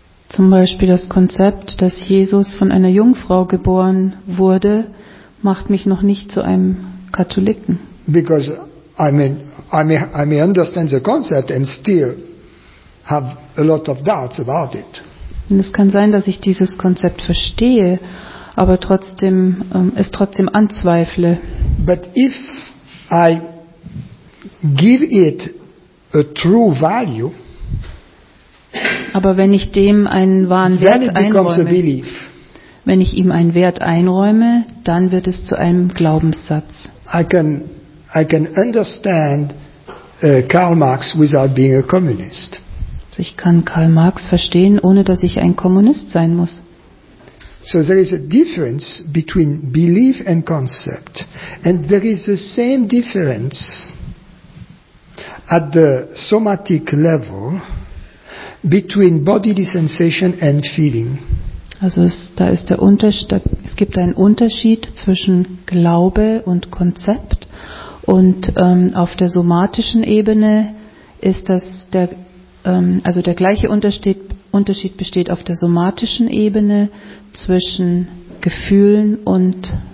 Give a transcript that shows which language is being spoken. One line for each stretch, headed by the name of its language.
German: Zum Beispiel das Konzept, dass Jesus von einer Jungfrau geboren wurde, macht mich noch nicht zu einem Katholiken.
English: Because I may understand the concept and still have a lot of doubts about it.
German: Und es kann sein, dass ich dieses Konzept verstehe, aber trotzdem es trotzdem anzweifle.
English: But if I give it a true value.
German: Aber wenn ich dem einen wahren Wert einräume, wenn ich ihm einen Wert einräume, dann wird es zu einem Glaubenssatz.
English: I can understand Karl Marx without being a communist.
German: ich kann Karl Marx verstehen, ohne dass ich ein Kommunist sein muss.
English: So there is a difference between belief and concept. And there is the same difference at the somatic level between bodily sensation and feeling.
German: Also es gibt einen Unterschied zwischen Glaube und Konzept, und auf der somatischen Ebene ist das der gleiche Unterschied besteht auf der somatischen Ebene zwischen Gefühlen und